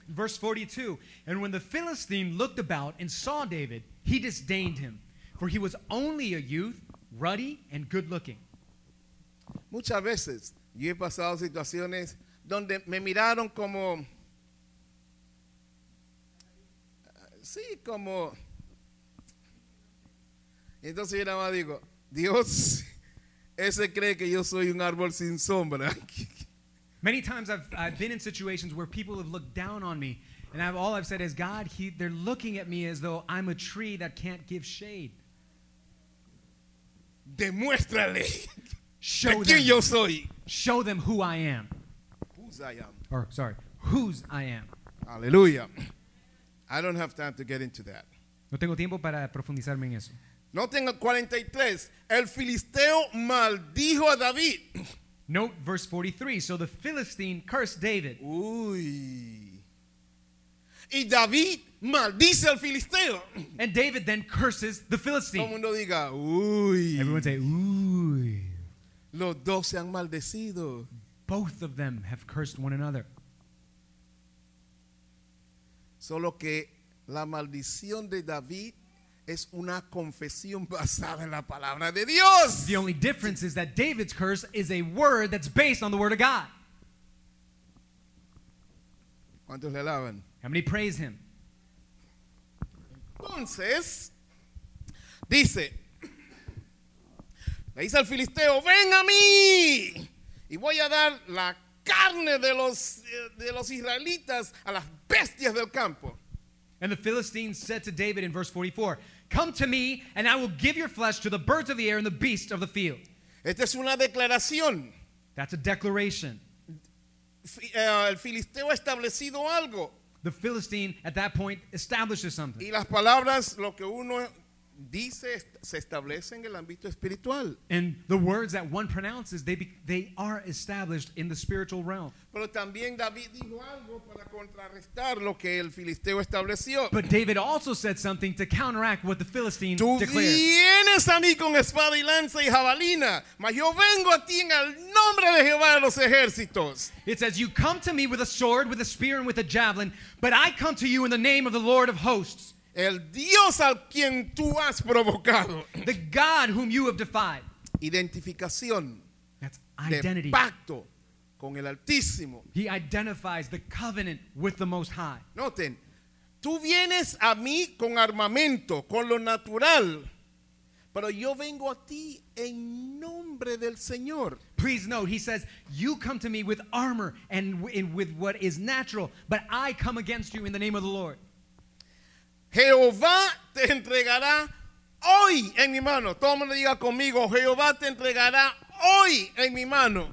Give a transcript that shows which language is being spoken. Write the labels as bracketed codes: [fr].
[en] Verse 42. And when the Philistine looked about and saw David, he disdained him, for he was only a youth, ruddy and good looking. [es] Muchas veces yo he pasado situaciones donde me miraron como, sí, como, entonces yo nada más digo, Dios, ese cree que yo soy un árbol sin sombra. [en] Many times I've been in situations where people have looked down on me, and all I've said is, God, they're looking at me as though I'm a tree that can't give shade. [es] Demuéstrale. [en] Show [es] de [en] them. [es] Quien yo soy. [en] Show them who I am. Whose I am. Or, sorry, whose I am. Hallelujah. I don't have time to get into that. [es] No tengo tiempo para profundizarme en eso. No tengo 43. El filisteo maldijo a David. [en] Note verse 43. So the Philistine cursed David. [es] Uy. Y David maldice al filisteo. [en] And David then curses the Philistine. [es] Todo mundo diga, uy. [en] Everyone say, uy. [es] Los dos se han maldecido. [en] Both of them have cursed one another. [es] Solo que la maldición de David es una confesión basada en la palabra de Dios. [en] The only difference is that David's curse is a word that's based on the word of God. [es] ¿Cuántos le alaban? [en] How many praise him? [es] Entonces, dice, Le dice al filisteo, ven a mí y voy a dar la carne de los israelitas a las bestias del campo. [en] And the Philistine said to David in verse 44, come to me and I will give your flesh to the birds of the air and the beasts of the field. [es] Esta es una declaración. [en] That's a declaration. [es] El filisteo ha establecido algo. [en] The Philistine at that point establishes something. [es] Y las palabras, lo que uno dice, se establece en el ámbito espiritual. [en] And the words that one pronounces, they are established in the spiritual realm. [es] Pero también David dijo algo para contrarrestar lo que el filisteo estableció. [en] But David also said something to counteract what the Philistine declared. [es] Tú vienes a mí con espada y lanza y jabalina, mas yo vengo a ti en el nombre de Jehová de los ejércitos. [en] It says, you come to me with a sword, with a spear, and with a javelin, but I come to you in the name of the Lord of hosts. [es] El Dios al quien tú has provocado. [en] The God whom you have defied. [es] Identificación. [en] That's identity. [es] De pacto con el Altísimo. [en] He identifies the covenant with the Most High. [es] Noten, tú vienes a mí con armamento, con lo natural, pero yo vengo a ti en nombre del Señor. [en] Please note, he says, you come to me with armor and with what is natural, but I come against you in the name of the Lord. [es] Jehová te entregará hoy en mi mano. Todo el mundo diga conmigo, Jehová te entregará hoy en mi mano.